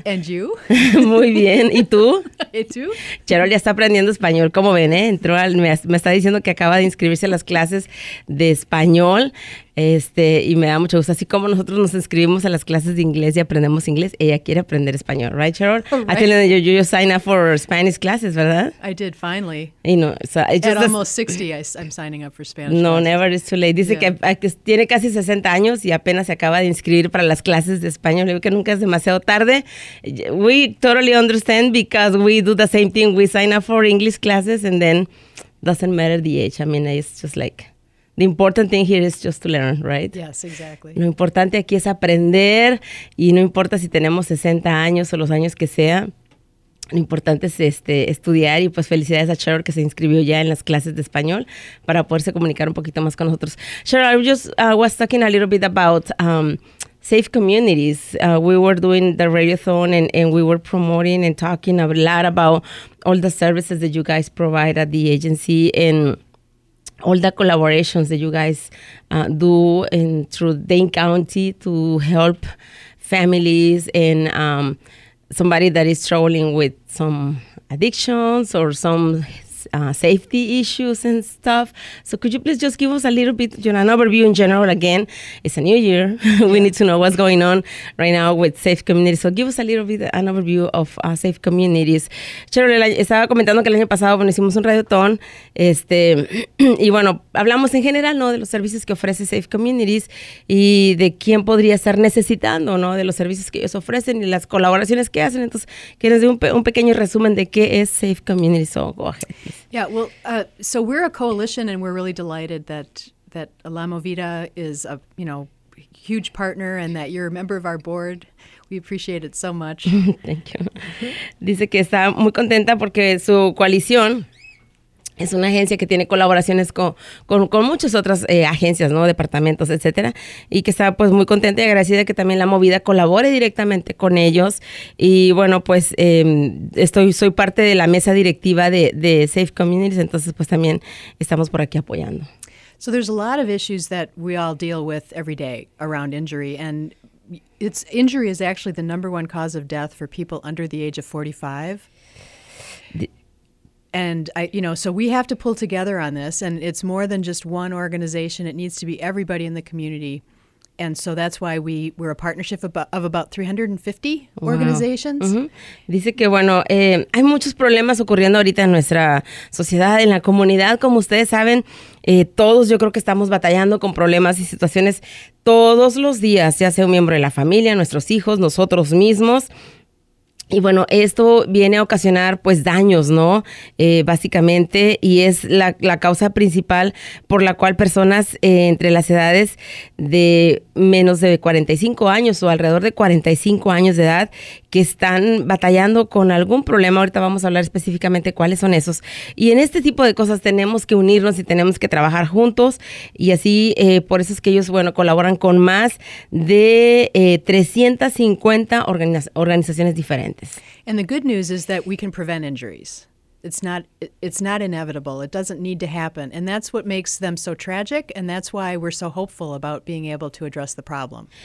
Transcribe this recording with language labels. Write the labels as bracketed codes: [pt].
[es] ¿Y tú? Muy bien. ¿Y tú? ¿Y tú? Cheryl ya está aprendiendo español, como ven, ¿eh? Me está diciendo que acaba de inscribirse a las clases de español. Y me da mucho gusto. Así como nosotros nos inscribimos a las clases de inglés y aprendemos inglés, ella quiere aprender español, [en] ¿right, [es] Cheryl? [en] Right. I think that you signed up for Spanish classes, [es] ¿verdad? [en] I did, finally. You know, so it's just at almost 60, I'm signing up for Spanish. No, classes. Never, it's too late. [es] Dice que tiene casi 60 años y apenas se acaba de inscribir para las clases de español. Le digo que nunca es demasiado tarde. [en] We totally understand because we do the same thing. We sign up for English classes and then doesn't matter the age. I mean, it's just like, the important thing here is just to learn, right? Yes, exactly. [es] Lo importante aquí es aprender y no importa si tenemos 60 años o los años que sea. Lo importante es estudiar y pues felicidades a Cheryl que se inscribió ya en las clases de español para poderse comunicar un poquito más con nosotros. [en] Cheryl, I just was talking a little bit about safe communities. We were doing the radiothon and we were promoting and talking a lot about all the services that you guys provide at the agency and all the collaborations that you guys do in through Dane County to help families and somebody that is struggling with some addictions or some safety issues and stuff. So could you please just give us a little bit, you know, an overview in general? Again, it's a new year. We need to know what's going on right now with safe communities. So give us a little bit, an overview of safe communities. [es] Cheryl, estaba comentando que el año pasado, bueno, hicimos un radiotón, y bueno, hablamos en general, ¿no?, de los servicios que ofrece Safe Communities y de quién podría estar necesitando, ¿no?, de los servicios que ellos ofrecen y las colaboraciones que hacen. Entonces, que nos dé un pequeño resumen de qué es Safe Communities. [en] So go ahead. Yeah, well, so we're a coalition, and we're really delighted that La Movida is a, you know, huge partner and that you're a member of our board. We appreciate it so much. Thank you. [es] Dice que está muy contenta porque su coalición es una agencia que tiene colaboraciones con muchas otras agencias, ¿no?, departamentos, etcétera, y que está pues muy contenta y agradecida que también La Movida colabore directamente con ellos. Y bueno, pues soy parte de la mesa directiva de Safe Communities, entonces pues también estamos por aquí apoyando. [en] So there's a lot of issues that we all deal with every day around injury, and it's injury is actually the number one cause of death for people under the age of 45. And I, you know, so we have to pull together on this, and it's more than just one organization. It needs to be everybody in the community, and so that's why we're a partnership of about 350 wow. organizations. Mm-hmm. [es] Dice que bueno, hay muchos problemas ocurriendo ahorita en nuestra sociedad, en la comunidad, como ustedes saben. Todos yo creo que estamos batallando con problemas y situaciones todos los días, ya sea un miembro de la familia, nuestros hijos, nosotros mismos. Y bueno, esto viene a ocasionar pues daños, ¿no? Básicamente, y es la causa principal por la cual personas entre las edades de menos de 45 años o alrededor de 45 años de edad que están batallando con algún problema. Ahorita vamos a hablar específicamente cuáles son esos. Y en este tipo de cosas tenemos que unirnos y tenemos que trabajar juntos. Y así, por eso es que ellos, bueno, colaboran con más de 350 organizaciones diferentes. [en] And the good news is that we can prevent injuries. It's not inevitable. It doesn't need to happen. And that's what makes them so tragic, and that's why we're so hopeful about being able to address the problem.